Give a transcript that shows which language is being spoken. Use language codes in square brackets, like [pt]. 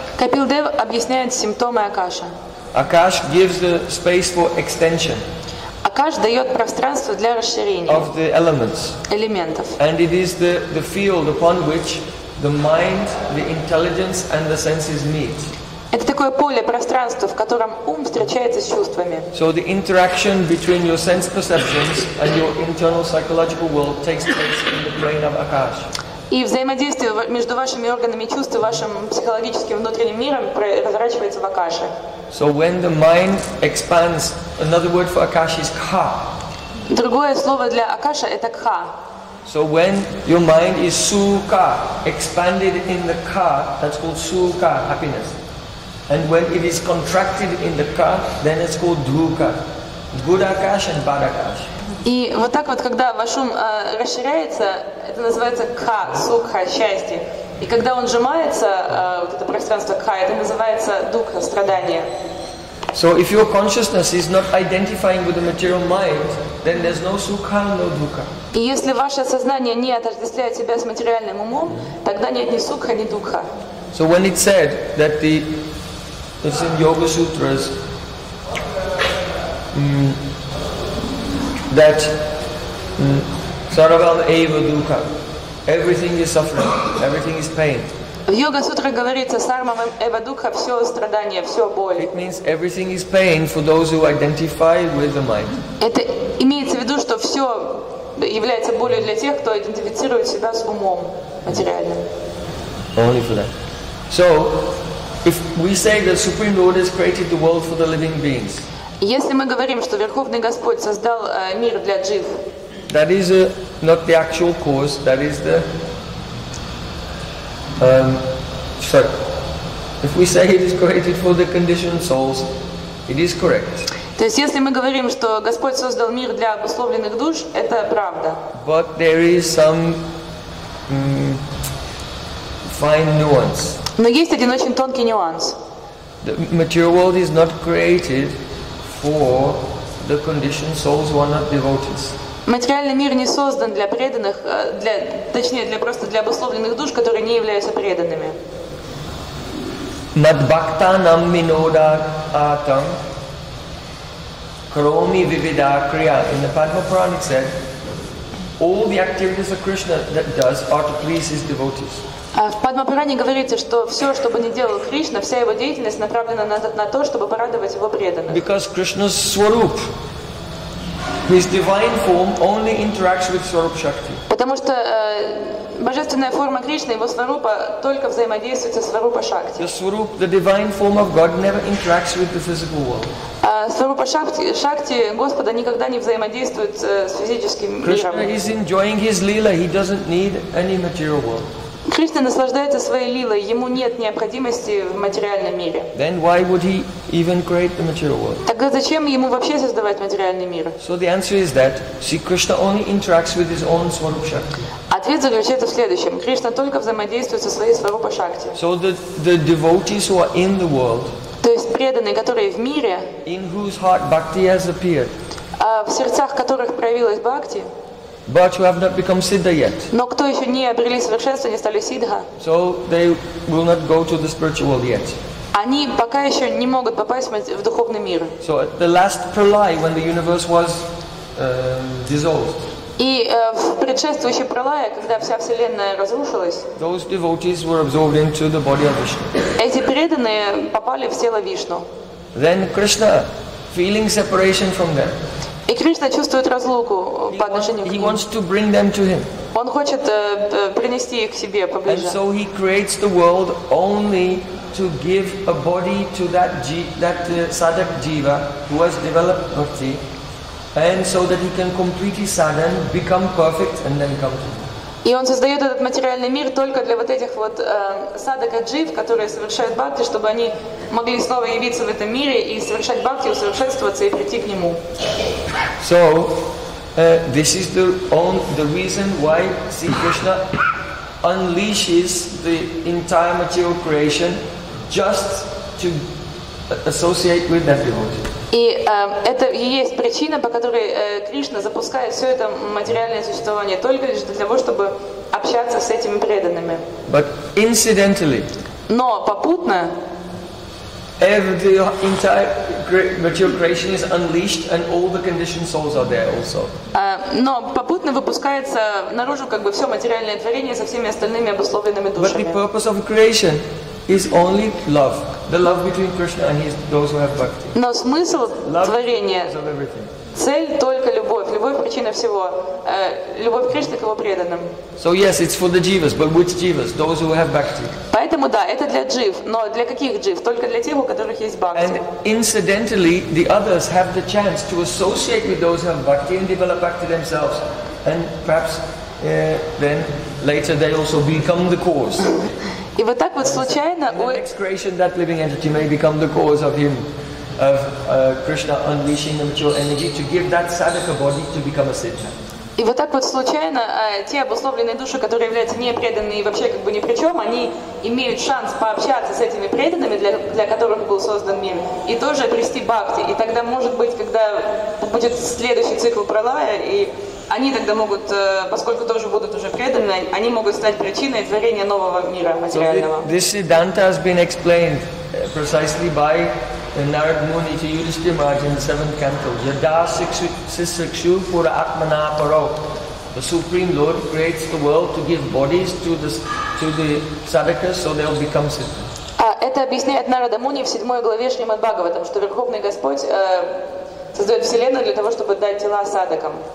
[ru] Капилдев объясняет симптомы Акаша. [en] Акаш gives the space for extension. [ru] Акаш дает пространство для расширения [en] of the elements. [ru] Элементов. [en] And it is the field upon which the mind, the intelligence and the senses meet. [ru] Это такое поле, пространство, в котором ум встречается с чувствами. [en] So the interaction between your sense perceptions and your internal psychological world takes place in the brain of Akash. [ru] И взаимодействие между вашими органами чувств и вашим психологическим внутренним миром разворачивается в Акаше. [en] So when the mind expands, another word for Akash is Kha. [ru] Другое слово для Акаша это Kha. [en] So when your mind is Sukha, expanded in the Kha, that's called Sukha, happiness. And when it is contracted in the Kha, then it's called Dukha. Good Akash and bad Akash. [ru] И вот так вот, когда ваш ум расширяется, это называется Kha, Sukha, счастье. И когда он сжимается, вот это пространство Kha, это называется Dukha, страдание. [en] So if your consciousness is not identifying with the material mind, then there's no Sukha, no Dukha. [ru] И если ваше сознание не отождествляет себя с материальным умом, тогда нет ни Sukha, ни Dukha. [en] So when it said that the, it's in Yoga Sutras, that [sa] Saravam Eva Dukha, [en] everything is suffering, everything is pain. [ru] В Йога Сутра говорится [sa] Сармам Эва Дукха, [ru] все страдание, все боль. [en] It means everything is pain for those who identify with the mind. [ru] Это имеется в виду, что все является болью для тех, кто идентифицирует себя с умом материальным. [en] Only for that. So If we say the Supreme Lord has created the world for the living beings, [ru] если мы говорим, что Верховный Господь создал мир для жив, [en] that is not the actual cause. That is the if we say it is created for the conditioned souls, it is correct. [ru] То есть, если мы говорим, что Господь создал мир для обусловленных душ, это правда. [en] But there is some fine nuance. [ru] Но есть один очень тонкий нюанс. [en] The material world is not created for the conditioned souls who are not devotees. [ru] Материальный мир не создан для преданных, для обусловленных душ, которые не являются преданными. [sa] Над бхактанам минода атам кроми вивида крия. [en] In the Padma Puran it said, all the activities of Krishna that does are to please his devotees. [ru] В Падмапуране говорится, что все, что бы ни делал Кришна, вся его деятельность направлена на то, чтобы порадовать его преданных. [en] Because Krishna's swarup, his divine form, only interacts with swarup shakti. [ru] Потому что божественная форма Кришны, его сварупа, только взаимодействует со сварупа шакти. [en] The swarup, the divine form of God, never interacts with the physical world. [ru] Сварупа шакти Господа никогда не взаимодействует с физическим миром. [en] Krishna is enjoying his lila. He doesn't need any material world. [ru] Кришна наслаждается своей лилой, ему нет необходимости в материальном мире. [en] Then why would he even create the material world? [ru] Тогда зачем ему вообще создавать материальный мир? [en] So the answer is that, see, Krishna only interacts with his own swarup shakti. [ru] Ответ заключается в следующем: Кришна только взаимодействует со своей сварупа шакти. [en] So the devotees who are in the world, [ru] то есть преданные, которые в мире, [en] in whose heart bhakti has appeared, [ru] в сердцах которых проявилась бхакти. [en] But you have not become siddha yet. [ru] Но кто еще не обрели совершенство, не стали сиддха? [en] So they will not go to the spiritual world yet. [ru] Они пока еще не могут попасть в духовный мир. [en] So at the last pralaya, when the universe was dissolved. [ru] И в предшествующей пралае, когда вся вселенная разрушилась. [en] Those devotees were absorbed into the body of Vishnu. [ru] Эти преданные попали в тело Вишну. [en] Then Krishna, feeling separation from them. [ru] И Кришна чувствует разлуку по отношению к ним. [en] He wants to bring them to him. [ru] Он хочет принести их к себе поближе. [en] And so he creates the world only to give a body to that sadhak jiva who has developed bhakti, and so that he can complete his sadhana, become perfect, and then come to him. [ru] И он создает этот материальный мир только для вот этих вот садака джив, которые совершают бхакти, чтобы они могли снова явиться в этом мире и совершать бхакти, усовершенствоваться и прийти к нему. [en] So, this is the reason why Sri Krishna unleashes the entire material creation just to associate with that devotee. [ru] И это и есть причина, по которой Кришна запускает все это материальное существование только лишь для того, чтобы общаться с этими преданными. [en] But incidentally, [ru] но попутно, [en] the entire material creation is unleashed, and all the conditioned souls are there also. [ru] Но попутно выпускается наружу как бы все материальное творение со всеми остальными обусловленными душами. [en] But the purpose of creation is only love. The love between Krishna and those who have bhakti. [ru] Но смысл творения, цель только любовь. Любовь причина всего. Любовь Кришны к его преданным. [en] So yes, it's for the jivas, but which jivas? Those who have bhakti. [ru] Поэтому да, это для джив. Но для каких джив? Только для тех, у которых есть бхакти. [en] And incidentally, the others have the chance to associate with those who have bhakti and develop bhakti themselves. And perhaps then later they also become the cause. [ru] И вот так вот случайно. [en] In the next creation, that living entity may become the cause of him, of Krishna unleashing the material energy to give that sadhaka body to become a siddha. [ru] И вот так вот случайно те обусловленные души, которые являются непреданными и вообще как бы ни при чем, они имеют шанс пообщаться с этими преданными, для которых был создан мир, и тоже обрести бхакти. И тогда, может быть, когда будет следующий цикл пралая, и они тогда могут, поскольку тоже будут уже преданы, они могут стать причиной творения нового мира материального. [en] This Siddhanta has been explained precisely by Narad Muni to Yudhishthira Maharaj in the 7th canto. [sa] Yada sisrikshu pura atmana paro. [en] The Supreme Lord creates the world to give bodies to the sadhakas so they'll become siddhas. [ru] Это объясняет Нарада Муни в 7 главе Шримад Бхагаватам, что Верховный Господь создает Вселенную для того, чтобы дать тела садакам.